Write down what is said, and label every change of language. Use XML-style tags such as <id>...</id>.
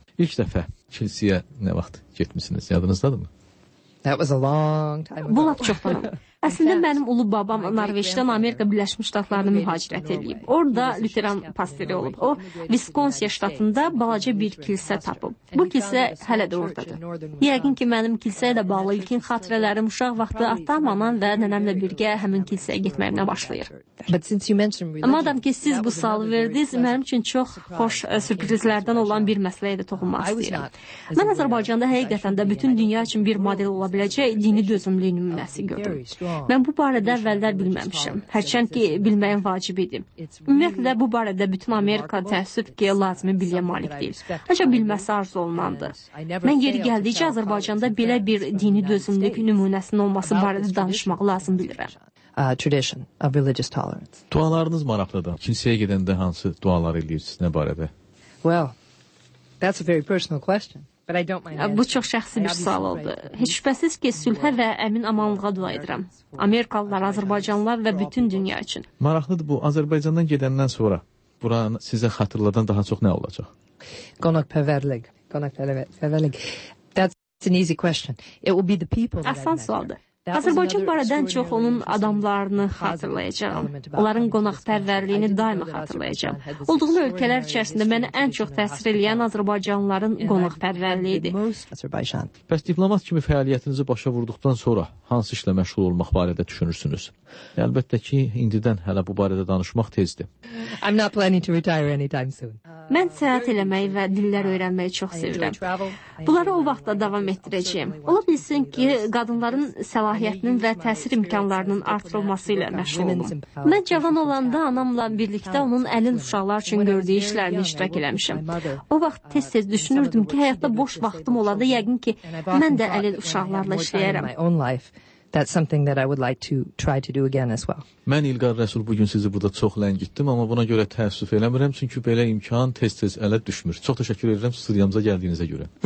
<az>İlk dəfə kilsiyə nə vaxt getmişsiniz? Yadınızdadır mı?</az> <en>That was a long time ago.</en> <az>Bu lap çoxdan. Əslində, mənim ulu babam Norveçdən Amerika Birləşmiş Ştatlarına mühacirət edib. Orada Lutheran pastiri olub. O, Viskonsiya ştatında balaca bir kilsə tapıb. Bu kilsə hələ də oradadır. Yəqin ki, mənim kilsə ilə bağlı ilkin xatirələrim uşaq vaxtı atam, anam və nənəmlə birgə həmin kilsəyə getməyimlə başlayır. Madam ki, siz bu sualı verdiniz, mənim üçün çox xoş sürprizlərdən olan bir məsələyə də toxunmaq istəyirəm. Mən Azərbaycanda həqiqətən də bütün dünya üçün bir model ola biləcək dini dözümlü nümunəsi gördüm. Mən bu barədə əvvəllər bilməmişəm, hərçənd ki, bilməyim vacib idi. Ümumiyyətlə, bu barədə bütün Amerika təəssüf ki, lazımi biliyə malik deyil. Həcə bilməsi arzu olunandı. Mən yeri gəldikcə Azərbaycanda belə bir dini dözümlük nümunəsinin olması barədə danışmaq lazım bilirəm.</az> <en>Tradition of religious tolerance.</en> <az>Dualarınız maraqlıdır. Kilsəyə gedəndə hansı dualar eləyirsiniz, nə barədə?</az> <en>Well, that's a very personal question.</en> <az>Bu çox şəxsi bir sual oldu. Heç şübhəsiz ki, sülhə və əmin amanlığa dua edirəm. Amerikalılar, Azərbaycanlılar və bütün dünya üçün. Maraqlıdır bu, Azərbaycandan gedəndən sonra buranı sizə xatırladan daha çox nə olacaq? Qonaqpərvərlik.</az> <en>That's an easy question. It will be the people.</en> <az>Asan sualdır. Azərbaycan barədən çox onun adamlarını xatırlayacağam. Onların qonaqpərvərliyini daima xatırlayacağam. Olduqlu ölkələr içərisində mənə ən çox təsir eləyən Azərbaycanlıların qonaqpərvərliyidir. Bəs diplomat kimi fəaliyyətinizi başa vurduqdan sonra hansı işlə məşğul olmaq barədə düşünürsünüz? Əlbəttə ki, indidən hələ bu barədə danışmaq tezdir.</az> <en>I'm not planning to retire anytime soon.</en> <az>Mən səyahət eləməyi və dillər öyrənməyi çox sevirəm. Bunları o vaxt da davam etdirəcəyim. Ola bilsin ki, qadınların səlahiyyətinin və təsir imkanlarının artırılması ilə məşğul olum. Mən cavan olanda anamla birlikdə onun əlin uşaqlar üçün gördüyü işlərinə iştirak eləmişim. O vaxt tez-tez düşünürdüm ki, həyatda boş vaxtım olanda yəqin ki, mən də əlin uşaqlarla işləyərəm.</az> <en>That's something that I would like to try to do again as well.</en> <az>Mən İlqar Rəsul bu gün sizi burada çox ləngitdim, amma buna görə təəssüf eləmirəm, çünki belə imkan tez-tez ələ düşmür. Çox təşəkkür edirəm studiyamıza gəldiyinizə görə.</az>